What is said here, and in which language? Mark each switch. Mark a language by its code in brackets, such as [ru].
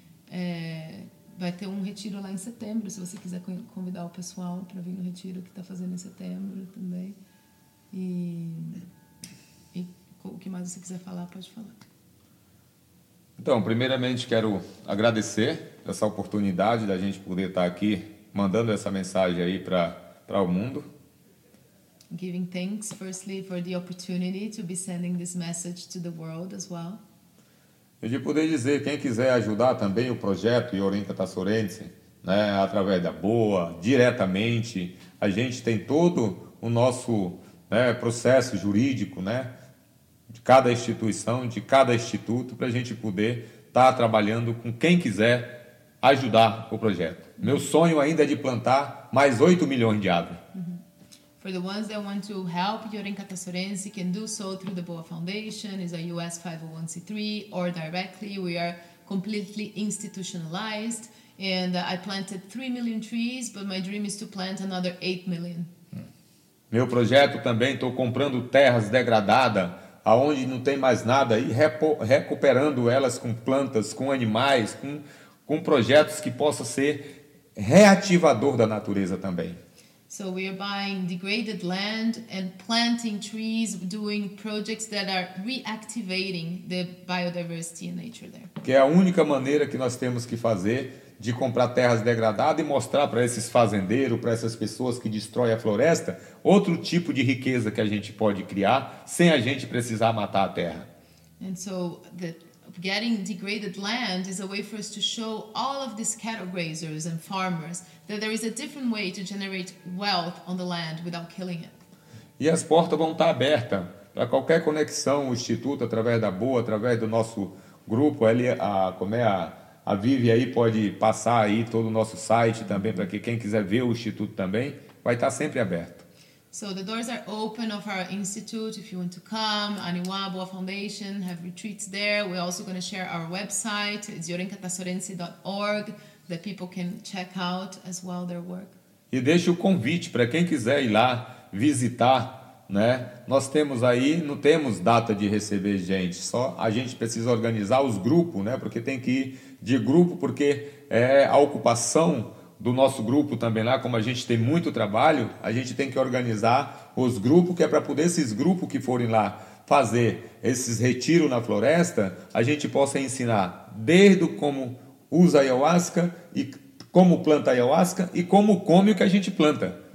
[pt] É, vai ter um retiro lá em setembro, se você quiser convidar o pessoal para vir no retiro que está fazendo em setembro também. E o que mais você quiser falar, pode falar. Então, primeiramente quero agradecer essa oportunidade da gente poder estar aqui mandando essa mensagem aí para o mundo. [en] Giving thanks firstly for the opportunity to be sending this message to the world as well. [pt] de poder dizer, quem quiser ajudar também o projeto Yorinka Tassorense, né, através da boa, diretamente, a gente tem todo o nosso, né, processo jurídico, né, de cada instituição, de cada instituto, para a gente poder estar trabalhando com quem quiser ajudar o projeto. Meu sonho ainda é de plantar mais 8 milhões de árvores. [en] For the ones that want to help Yorinka Tassorense, can do so through the Boa Foundation, is a US 501c3, or directly. We are completely institutionalized, and I planted 3 million trees, but my dream is to plant another 8 million. [pt] Meu projeto também, estou comprando terras degradadas, aonde não tem mais nada, e recuperando elas com plantas, com animais, com projetos que possam ser reativador da natureza também. [en] So we are buying degraded land and planting trees, doing projects that are reactivating the biodiversity and nature there. [pt] Que é a única maneira que nós temos que fazer de comprar terras degradadas e mostrar para esses fazendeiros, para essas pessoas que destroem a floresta, outro tipo de riqueza que a gente pode criar sem a gente precisar matar a terra. [en] And so the getting degraded land is a way for us to show all of these cattle grazers and farmers that there is a different way to generate wealth on the land without killing it. [pt] E as portas vão estar abertas para qualquer conexão, o Instituto, através da Boa, através do nosso grupo, ali, a Vivi aí pode passar aí todo o nosso site também, para que quem quiser ver o Instituto também, vai estar sempre aberto. [en] So the doors are open of our institute if you want to come. Aniwabo Foundation have retreats there. We're also going to share our website. It's yorinkatassorense.org that people can check out as well their work. [pt] E deixo o convite para quem quiser ir lá visitar, né? Nós temos aí, não temos data de receber gente. Só a gente precisa organizar os grupos, né? Porque tem que ir de grupo, porque é a ocupação do nosso grupo também lá, como a gente tem muito trabalho, a gente tem que organizar os grupos, que é para poder esses grupos que forem lá fazer esses retiros na floresta, a gente possa ensinar desde como usa a ayahuasca, e como planta a ayahuasca e como come o que a gente planta.